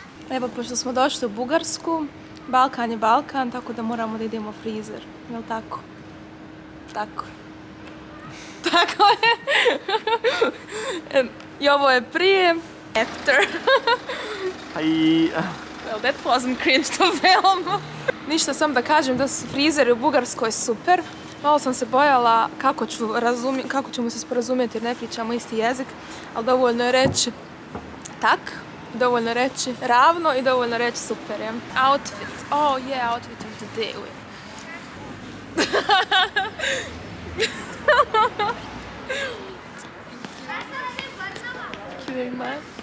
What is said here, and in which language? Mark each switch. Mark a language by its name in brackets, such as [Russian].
[Bosnian] Evo, pošto smo došli u Bugarsku, Balkan je Balkan, tako da moramo da idemo u frizer. Jel' tako? Tako. Tako je. I ovo je prije. After. [English] Hi. Well, that wasn't cringe to film. [Bosnian] Ništa, sam da kažem da su frizeri u Bugarskoj super. Malo sam se bojala kako ćemo se sporazumjeti jer ne pričamo isti jezik. Ali dovoljno je reći tak. Dovoljno reći ravno i dovoljno reći super, jem. Outfit. [English] Oh yeah, outfit of the day. Uvijek. Thank you very much.